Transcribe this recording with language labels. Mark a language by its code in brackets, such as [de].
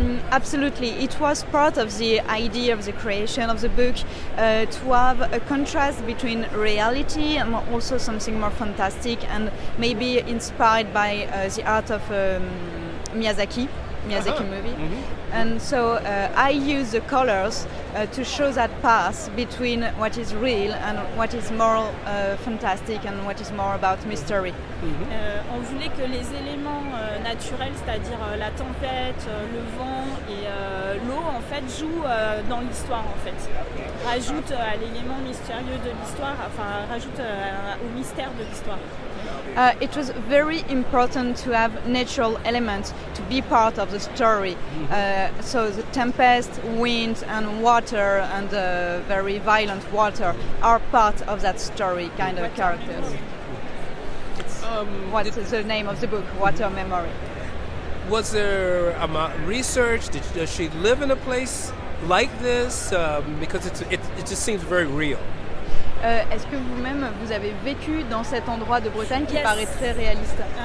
[en] Absolutely, it was part of the idea of the creation of the book to have a contrast between reality and also something more fantastic and maybe inspired by the art of Miyazaki uh-huh. movie. Mm-hmm. And so I use the colors to show that path between what is real and what is more fantastic and what is more about mystery. Mm-hmm. [fr] On voulait que les éléments naturels, c'est-à-dire la tempête, le vent et l'eau, en fait, jouent dans l'histoire, en fait. Rajoutent à l'élément mystérieux de l'histoire, enfin, rajoutent au mystère de l'histoire. [en] It was very important to have natural elements to be part of the story. So the tempest, wind and water, and very violent water are part of that story, kind of characters. What's the name of the book, Water Memory? Was there research? Does she live in a place like this? Because it just seems very real. [fr] Est-ce que vous-même vous avez vécu dans cet endroit de Bretagne qui paraît très réaliste?